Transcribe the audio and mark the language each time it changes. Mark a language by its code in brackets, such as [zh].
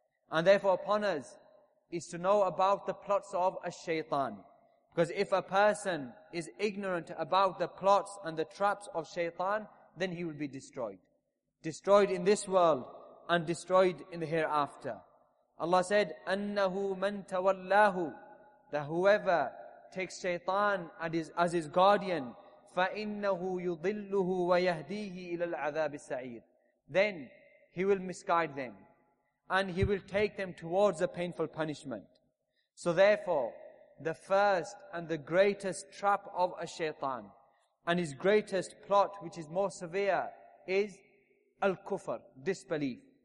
[en] And therefore upon us is to know about the plots of a shaytan. Because if a person is ignorant about the plots and the traps of shaytan, then he will be destroyed. Destroyed in this world and destroyed in the hereafter. Allah said, [ar] أَنَّهُ مَنْ تَوَلَّاهُ. [en] That whoever takes shaytan as his guardian, [ar] فَإِنَّهُ يُضِلُّهُ وَيَهْدِيهِ إِلَى الْعَذَابِ السَّعِيرِ. [en] Then he will misguide them, and he will take them towards a painful punishment. So therefore, the first and the greatest trap of a shaytan, and his greatest plot, which is more severe, is al-kufr, disbelief.